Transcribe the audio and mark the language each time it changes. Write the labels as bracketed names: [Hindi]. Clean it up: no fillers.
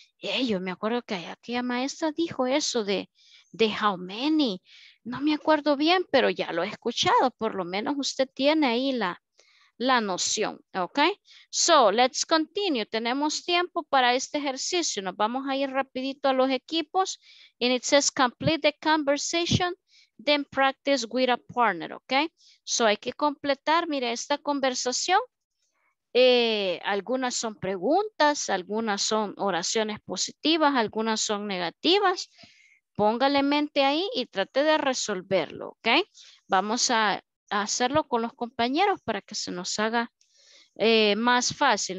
[Spanish] Hey, yo me acuerdo que aquella maestra dijo eso de [English] how many. [Spanish] No me acuerdo bien, pero ya lo he escuchado. Por lo menos usted tiene ahí la noción. [English] Ok, so let's continue. [Spanish] Tenemos tiempo para este ejercicio. Nos vamos a ir rapidito a los equipos. [English] And it says complete the conversation, then practice with a partner. [Spanish] Ok, so hay que completar, mire, esta conversación. Algunas son preguntas, algunas son oraciones positivas, algunas son negativas. Póngale mente ahí y trate de resolverlo, ¿ok? Vamos a hacerlo con los compañeros para que se nos haga más fácil.